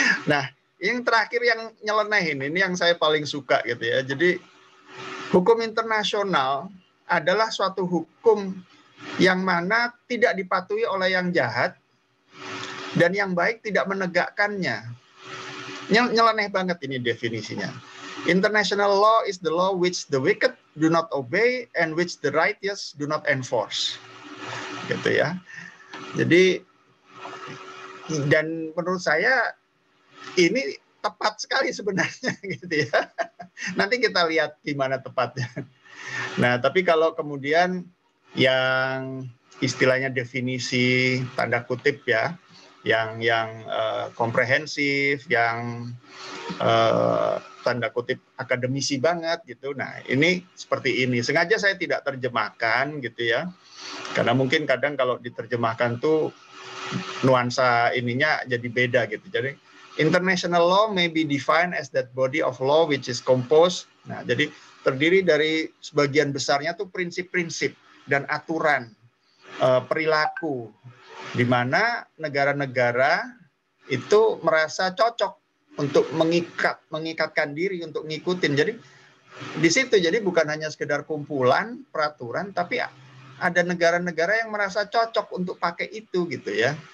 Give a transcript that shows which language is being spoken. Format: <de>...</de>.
<id>Nah, yang terakhir yang nyelenehin, ini yang saya paling suka gitu ya. Jadi, hukum internasional adalah suatu hukum yang mana tidak dipatuhi oleh yang jahat dan yang baik tidak menegakkannya. Nyeleneh banget ini definisinya.</id> <en>International law is the law which the wicked do not obey and which the righteous do not enforce.</en> <id>Gitu ya. Jadi, dan menurut saya ini tepat sekali sebenarnya gitu ya. Nanti kita lihat gimana tepatnya. Nah, tapi kalau kemudian yang istilahnya definisi tanda kutip ya, yang komprehensif, yang tanda kutip akademisi banget gitu. Nah, ini seperti ini. Sengaja saya tidak terjemahkan gitu ya. Karena mungkin kadang kalau diterjemahkan tuh nuansa ininya jadi beda gitu.</id> <en>Jadi international law may be defined as that body of law which is composed.</en> <id>Nah, jadi terdiri dari sebagian besarnya tuh prinsip-prinsip dan aturan perilaku di mana negara-negara itu merasa cocok untuk mengikatkan diri untuk ngikutin. Jadi di situ jadi bukan hanya sekedar kumpulan peraturan, tapi ada negara-negara yang merasa cocok untuk pakai itu gitu ya.</id>